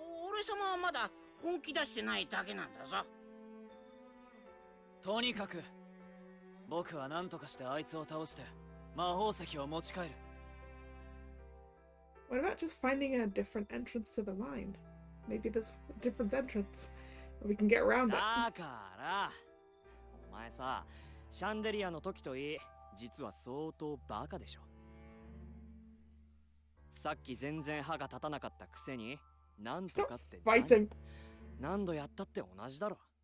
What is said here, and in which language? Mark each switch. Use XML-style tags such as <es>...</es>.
<ja>俺様はまだ本気出してないだけなんだぞ。とにかく僕は何とかしてあいつを倒して魔法石を持ち帰る。</ja> <en>What about just finding a different entrance to the mine? Maybe this different entrance we can get around it.</en> <ja>だからお前さ、シャンデリアの時といい、実は相当バカでしさっき全然歯が立たなかったくせに、なんとかって何、Fighting. 何度やったって同じだろ。</ja>